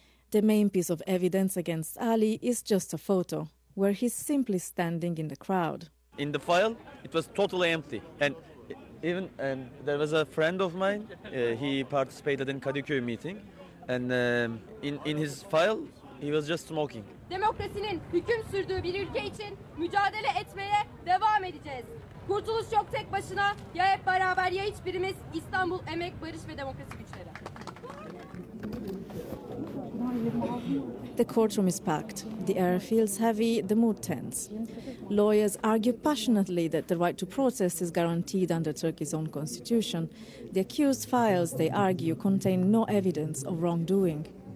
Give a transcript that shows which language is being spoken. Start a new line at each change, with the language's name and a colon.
English: The main piece of evidence against Ali is just a photo, where he's simply standing in the crowd. In the file, it was totally empty. And even there was a friend of mine, he participated in Kadıköy meeting, and in his file, he was just smoking.
Turkish: Demokrasinin hüküm sürdüğü bir ülke için mücadele etmeye devam edeceğiz. Kurtuluş yok tek başına, ya hep beraber ya hiçbirimiz, İstanbul Emek, Barış ve Demokrasi Güçleri.
English: The courtroom is packed. The air feels heavy, the mood tense. Lawyers argue passionately that the right to protest is guaranteed under Turkey's own constitution. The accused files, they argue, contain no evidence of wrongdoing.